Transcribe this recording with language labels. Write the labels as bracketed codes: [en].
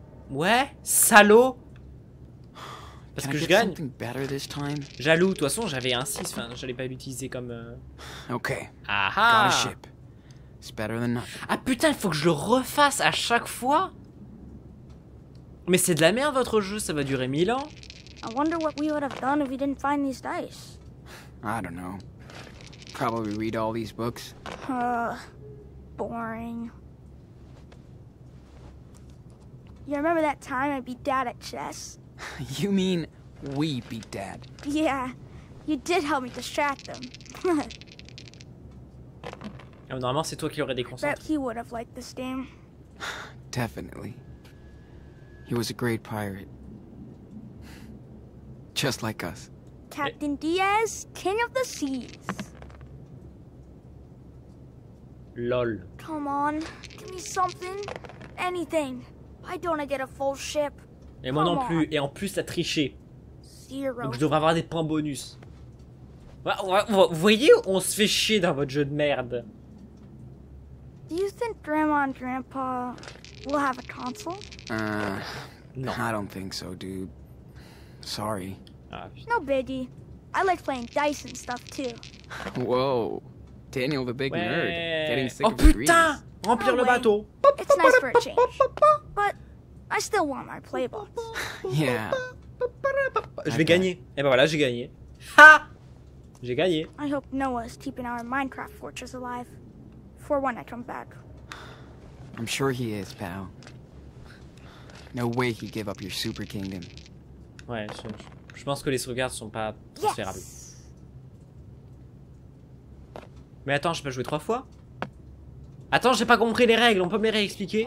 [fr] Ouais, salaud. Parce [en] can [fr] que [en] I [fr] je gagne. [en] Something better this time? [fr] Jaloux, de toute façon, j'avais un 6, enfin, j'allais pas l'utiliser comme [en] Okay. Aha. Got a ship. It's better than nothing. [fr] Ah putain, il faut que je le refasse à chaque fois. Mais c'est de la merde votre jeu, ça va durer 1000 ans. [en] I wonder what we would have done if we didn't find these dice. I don't know. Probably read all these books. Boring. You remember that time I beat Dad at chess? You mean we beat Dad? Yeah, you did help me distract them. [fr] Normalement, c'est toi qui aurais déconcentré. [en] I bet he would have liked this game. Definitely. He was a great pirate. Just like us. Captain Diaz, king of the seas. Lol. Come on, give me something. Anything. I don't get a full ship. [fr] Et moi non plus, et en plus t'as triché. [en] Zero. [fr] Donc je devrais avoir des points bonus. Vous voyez, on se fait chier dans votre jeu de merde. [en] Do you think grandma and grandpa will have a console? Non. I don't think so, dude. Sorry. No biggie. I like playing dice and stuff too. Whoa. Daniel the big nerd. Getting sick of the dreams. [fr] Oh putain! Remplir le bateau. [en] It's nice for a change. But I still want my playbox. Yeah. [fr] Je vais gagner. Et ben voilà, j'ai gagné. Ha! J'ai gagné. [en] I hope Noah's keeping our Minecraft fortress alive for when I come back. I'm sure he is, pal. No way he gave up your super kingdom. [fr] Ouais, je pense que les sauvegardes sont pas transférables. [en] Yes. [fr] Mais attends, je peux jouer trois fois? Attends, j'ai pas compris les règles, on peut me les réexpliquer?